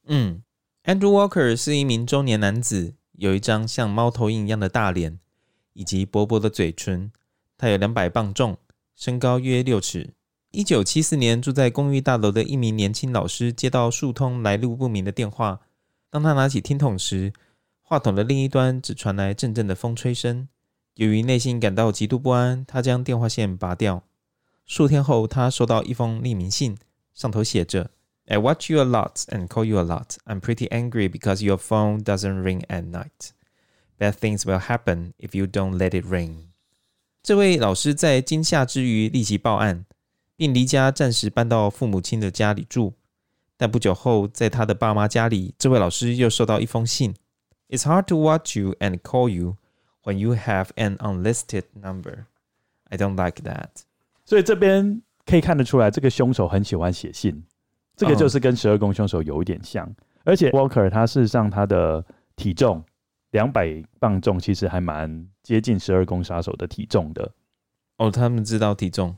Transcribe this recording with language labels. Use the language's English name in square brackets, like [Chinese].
[Chinese] 嗯， Andrew Walker 是一名中年男子，有一张像猫头鹰一样的大脸以及薄薄的嘴唇，他有200磅重，身高约6尺。 1974年住在公寓大楼的一名年轻老师接到数通来路不明的电话，当他拿起听筒时，话筒的另一端只传来阵阵的风吹声。由于内心感到极度不安，他将电话线拔掉。数天后，他收到一封匿名信，上头写着 [English] I watch you a lot and call you a lot. I'm pretty angry because your phone doesn't ring at night. Bad things will happen if you don't let it ring. [Chinese] 这位老师在惊吓之余立即报案，并离家暂时搬到父母亲的家里住。但不久后，在他的爸妈家里，这位老师又收到一封信。 [English] It's hard to watch you and call you when you have an unlisted number. I don't like that. [Chinese] 所以这边可以看得出来，这个凶手很喜欢写信。这个就是跟十二宫凶手有一点像。而且 Walker 他事实上他的体重200磅重，其实还蛮接近十二宫杀手的体重的。哦，他们知道体重，